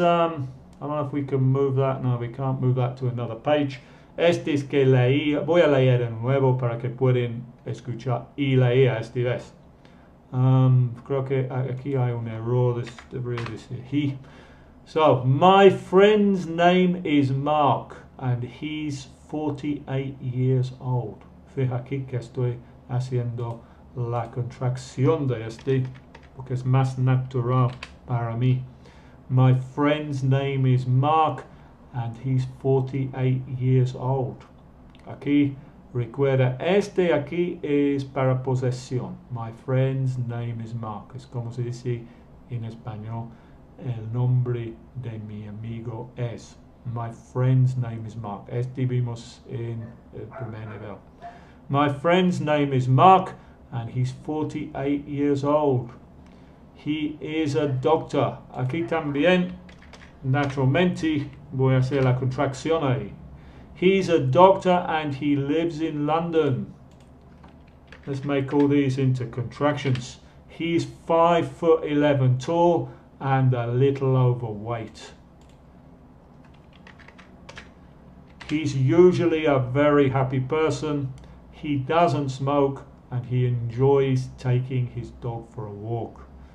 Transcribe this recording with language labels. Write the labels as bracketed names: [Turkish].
[English] I don't know if we can move that. No, we can't move that to another page. [Spanish] Este es que leí. Voy a leer de nuevo para que pueden escuchar y leer este vez. Creo que aquí hay un error. This debería decir he. [English] So, my friend's name is Mark and he's 48 years old. [Spanish] Fija aquí que estoy haciendo la contracción de este porque es más natural para mí. [English] My friend's name is Mark and he's 48 years old. [Spanish] Aquí. Recuerda, este aquí es para posesión. My friend's name is Mark. Es como se dice en español. El nombre de mi amigo es. My friend's name is Mark. Este vimos en el primer nivel. [English] My friend's name is Mark and he's 48 years old. He is a doctor. [Spanish] Aquí también, naturalmente, voy a hacer la contracción ahí. [English] He's a doctor and he lives in London. Let's make all these into contractions. He's 5'11" tall and a little overweight. He's usually a very happy person. He doesn't smoke and he enjoys taking his dog for a walk.